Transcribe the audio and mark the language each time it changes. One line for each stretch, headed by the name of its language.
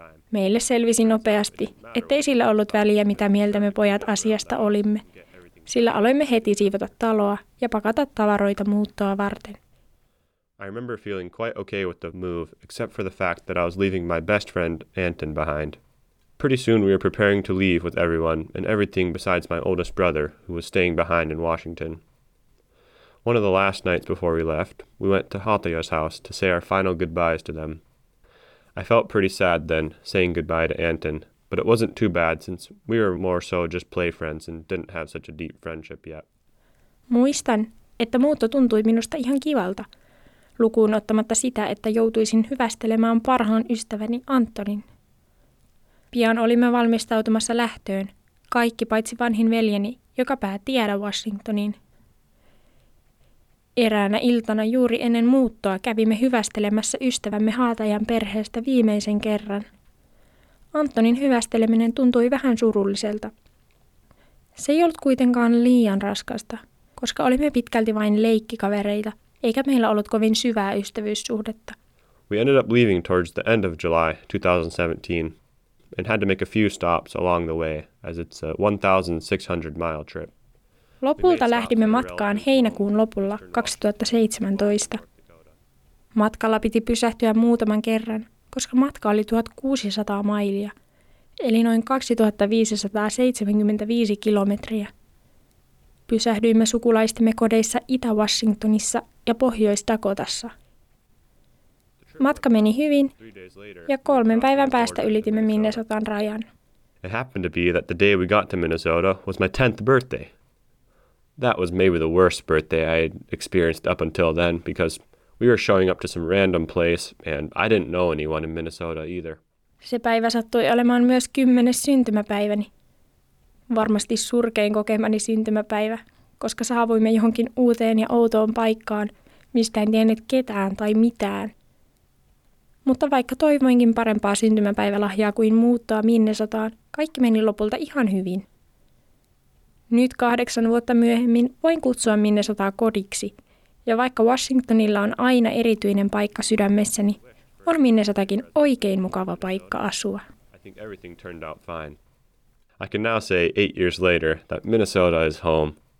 Finnish: Meille selvisi nopeasti, ettei sillä ollut väliä, mitä mieltä me pojat asiasta olimme, sillä aloimme heti siivota taloa ja pakata tavaroita muuttoa varten.
English: I remember feeling quite okay with the move, except for the fact that I was leaving my best friend, Anton, behind. Pretty soon we were preparing to leave with everyone and everything besides my oldest brother, who was staying behind in Washington. One of the last nights before we left, we went to Hataya's house to say our final goodbyes to them. I felt pretty sad then, saying goodbye to Anton, but it wasn't too bad since we were more so just play friends and didn't have such a deep friendship yet.
Finnish: Muistan, että muutto tuntui minusta ihan kivalta. Lukuun ottamatta sitä, että joutuisin hyvästelemään parhaan ystäväni Antonin. Pian olimme valmistautumassa lähtöön, kaikki paitsi vanhin veljeni, joka päätti jäädä Washingtoniin. Eräänä iltana juuri ennen muuttoa kävimme hyvästelemässä ystävämme Haatajan perheestä viimeisen kerran. Antonin hyvästeleminen tuntui vähän surulliselta. Se ei ollut kuitenkaan liian raskasta, koska olimme pitkälti vain leikkikavereita, eikä meillä ollut kovin syvää ystävyyssuhdetta.
English: We ended up leaving towards the end of July 2017 and had to make a few stops along the way as it's a 1,600-mile trip.
Finnish: Lopulta lähdimme matkaan heinäkuun lopulla 2017. Matkalla piti pysähtyä muutaman kerran, koska matka oli 1600 mailia, eli noin 2575 kilometriä. Pysähdyimme sukulaistemme kodeissa Itä-Washingtonissa ja Pohjois-Dakotassa. Matka meni hyvin, ja kolmen päivän päästä ylitimme Minnesotan rajan. It happened to be that the day we got to Minnesota was my 10th birthday. That was maybe the worst birthday I had experienced up until then, because we were showing up to some random place, and I didn't know anyone in Minnesota either. Se päivä sattui olemaan myös 10. syntymäpäiväni. Varmasti surkein kokemani syntymäpäivä, koska saavuimme johonkin uuteen ja outoon paikkaan, mistä en tiennyt ketään tai mitään. Mutta vaikka toivoinkin parempaa syntymäpäivälahjaa kuin muuttaa Minnesotaan, kaikki meni lopulta ihan hyvin. Nyt 8 vuotta myöhemmin voin kutsua Minnesotaa kodiksi. Ja vaikka Washingtonilla on aina erityinen paikka sydämessäni, on Minnesotakin oikein mukava paikka asua.
English: I think everything turned out fine. I can now say 8 years later that Minnesota is home.